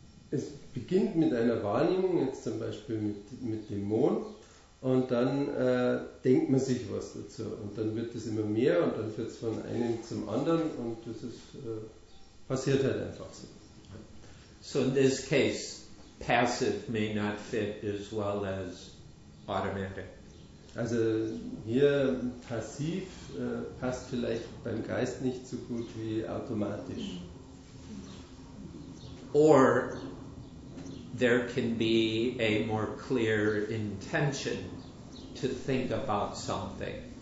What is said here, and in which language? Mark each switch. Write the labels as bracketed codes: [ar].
[de] Es beginnt mit einer Wahrnehmung, jetzt zum Beispiel mit dem Mond, und dann denkt man sich was dazu. Und dann wird es immer mehr und dann führt es von einem zum anderen und das ist, passiert halt einfach so. [en] So in this case, passive may not fit as well as automatic. [de] Also hier passiv passt vielleicht beim Geist nicht so gut wie automatisch. [en] Or there can be a more clear intention to think about something.